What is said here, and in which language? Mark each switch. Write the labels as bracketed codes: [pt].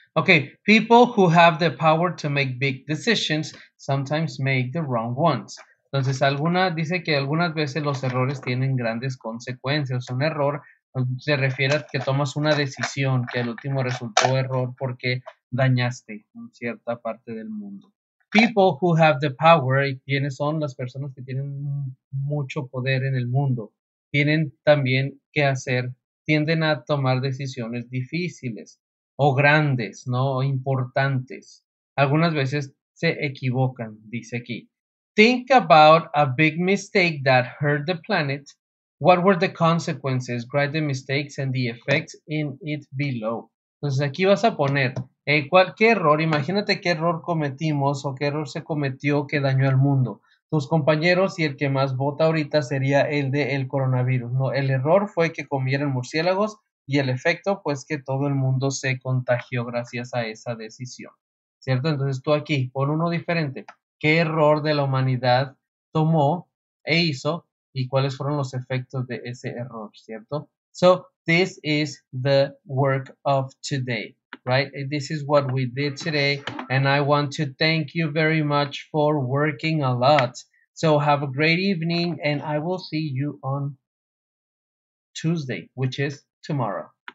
[en] Okay, people who have the power to make big decisions sometimes make the wrong ones. [es] Entonces, dice que algunas veces los errores tienen grandes consecuencias. Un error se refiere a que tomas una decisión que al último resultó error porque dañaste en cierta parte del mundo. [en] People who have the power, [es] ¿quiénes son las personas que tienen mucho poder en el mundo? Tienen también que hacer, tienden a tomar decisiones difíciles o grandes, ¿no? O importantes. Algunas veces se equivocan, dice aquí. [en] Think about a big mistake that hurt the planet. What were the consequences? Write the mistakes and the effects in it below. [es] Entonces aquí vas a poner cualquier error. Imagínate qué error cometimos o qué error se cometió que dañó al mundo. Tus compañeros y el que más vota ahorita sería el de el coronavirus. No, el error fue que comieran murciélagos y el efecto pues que todo el mundo se contagió gracias a esa decisión. ¿Cierto? Entonces tú aquí pon uno diferente. ¿Qué error de la humanidad tomó e hizo? ¿Y cuáles fueron los efectos de ese error? ¿Cierto? [en] So, this is the work of today, right? This is what we did today. And I want to thank you very much for working a lot. So, have a great evening and I will see you on Tuesday, which is tomorrow.